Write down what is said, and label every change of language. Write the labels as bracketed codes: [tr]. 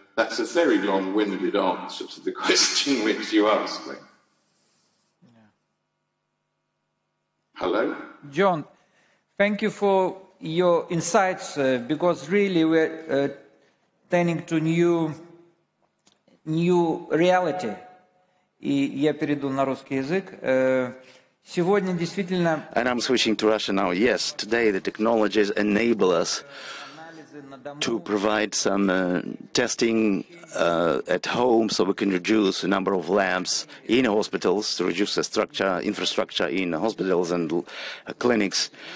[en] That's a very long-winded answer to the question which you asked me. Hello? John, thank you for your insights, because really we're turning to new reality. [ru] И я перейду на русский язык. Сегодня действительно... [en] And I'm switching to Russian now. Yes, today the technologies enable us to provide some testing at home, so we can reduce the number of labs in hospitals, to reduce the structure, infrastructure in hospitals and clinics.